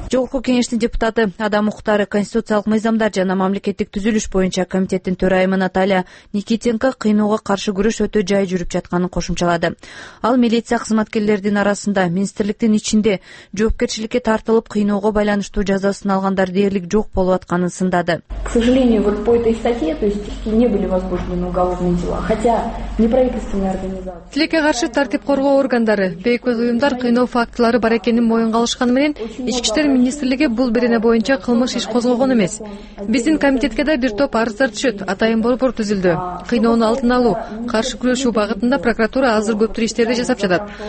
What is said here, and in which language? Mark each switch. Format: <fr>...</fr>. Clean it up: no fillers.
<ky>Жогорку кеңештин депутаты, адам укуктары, конституциялык мыйзамдар жана мамлекеттик түзүлүш боюнча комитеттин төрайымы Наталья Никитенко кыйноого каршы күрөш өтө жай жүрүп жатканын кошумчалады. Ал милиция кызматкерлеринин арасында министрликтин ичинде жоопкерчиликке тартылып кыйноого байланыштуу жазасын алгандар дээрлик жок болуп атканын сындады.</ky> <ru>К сожалению, вот по этой статье, то есть не были возбуждены уголовные дела, хотя неправительственные организации.</ru> <ky>Тилекке каршы тартип коргоо органдары, бейкөз уюмдар кыйноо фактылары бар экенин моюнга алышканы менен Ички иштер министрлиги бул берене боюнча кылмыш иш козголгон эмес. Биздин комитетке да бир топ арыздар түшөт, атайын борбор түзүлдү. Кыйноону алдын алуу, каршы күрөшүү багытында прокуратура азыр көптүр иштерди жасап жатат.</ky>